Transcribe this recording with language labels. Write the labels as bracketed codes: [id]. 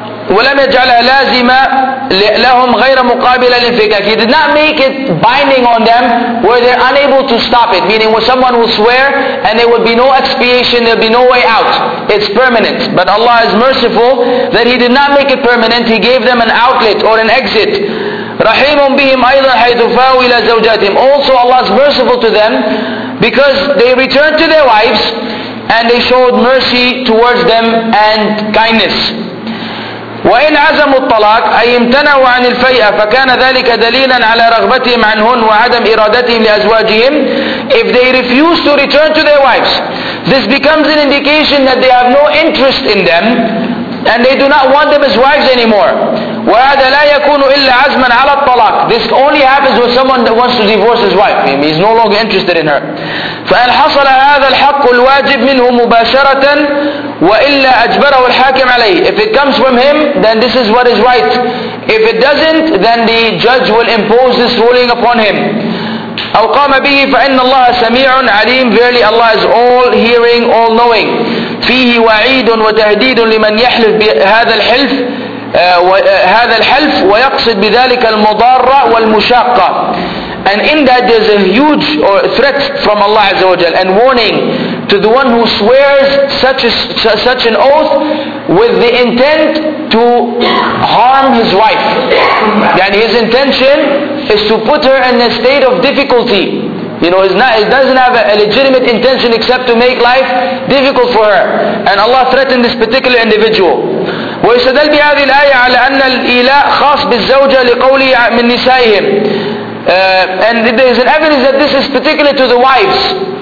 [ar] ولم يجعلها لازمة لهم غير مقابلة للفكاك. [en] He did not make it binding on them where they're unable to stop it. Meaning when someone will swear and there will be no expiation, there'll be no way out. It's permanent. But Allah is merciful that He did not make it permanent. He gave them an outlet or an exit. [ar] رحيم بهم أيضا حيث فاءوا إلى زوجاتهم. [en] Also Allah is merciful to them because they returned to their wives and they showed mercy towards them and kindness. [ar] وإن عزموا الطلاق أي امتنعوا عن الفيئة فكان ذلك دليلا على رغبتهم عنهن وعدم إرادتهم لأزواجهم. [en] If they refuse to return to their wives, this becomes an indication that they have no interest in them and they do not want them as wives anymore. [ar] وهذا لا يكون إلا عزما على الطلاق. [en] This only happens when someone that wants to divorce his wife. He is no longer interested in her. [ar] فإن حصل هذا الحق الواجب منه مباشرة وإلا أجبره الحاكم عليه. [en] If it comes from him, then this is what is right. If it doesn't, then the judge will impose this ruling upon him. [ar] أو قام به فإن الله سميع عليم. [en] Verily Allah is all hearing, all knowing. [ar] فيه وعيد وتهديد لمن يحلف بهذا الحلف هذا الحلف ويقصد بذلك المضارة والمشاقة. [en] And in that there's a huge threat from Allah Azza wa Jal and warning to the one who swears such an oath with the intent to harm his wife. And his intention is to put her in a state of difficulty. You know, it doesn't have a legitimate intention except to make life difficult for her. And Allah threatened this particular individual. [ar] ويستدل بهذه الآية على أن الإيلاء خاص بالزوجة لقوله من نسائهم. [en] And there is an evidence that this is particular to the wives.